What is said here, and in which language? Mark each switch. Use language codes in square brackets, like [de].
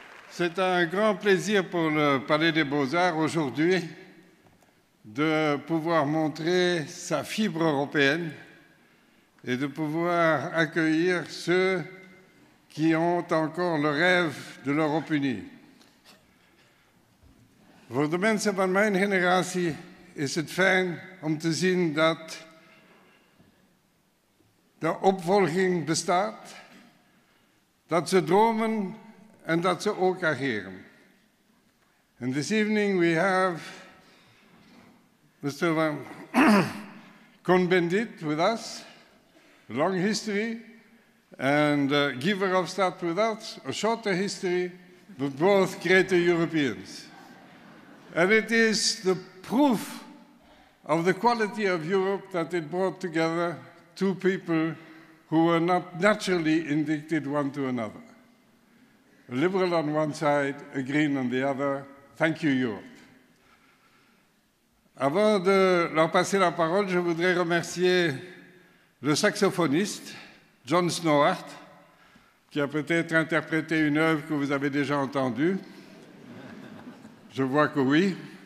[fr] C'est un grand plaisir pour le Palais des Beaux-Arts aujourd'hui de pouvoir montrer sa fibre européenne et de pouvoir accueillir ceux qui ont encore le rêve de l'Europe unie. [nl] Voor de mensen van mijn generatie is het fijn om te zien dat de opvolging bestaat, dat ze dromen en dat ze ook ageren. [en] And this evening we have Mr. Van Cohn-Bendit with us, long history, and Guy Verhofstadt with us, a shorter history, but both great Europeans. And it is the proof of the quality of Europe that it brought together two people who were not naturally indicted one to another. A liberal on one side, a green on the other. Thank you, Europe. [fr] Avant de leur passer la parole, je voudrais remercier le saxophoniste John Snowart, qui a peut-être interprété une œuvre que vous avez déjà entendue. Je vois que oui.